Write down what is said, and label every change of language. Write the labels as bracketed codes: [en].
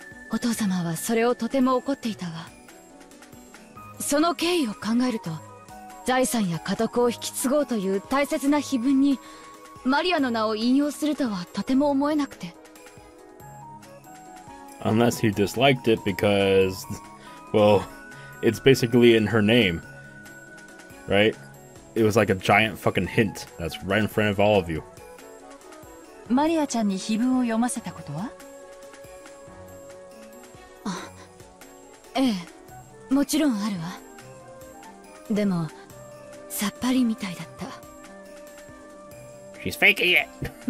[ja] お父様はそれをとても怒っていたわ。その経緯を考えると、財産や家督を引き継ごうという大切な碑文にマリアの名を引用するとはとても思えなくて。 [en] Unless he disliked it because, well, it's basically in her name, right? It was like a giant fucking hint that's right in front of all of you. [ja] マリアちゃんに碑文を読ませたことは？ええ、もちろんあるわ。でも、さっぱりみたいだった。 [en] She's faking it!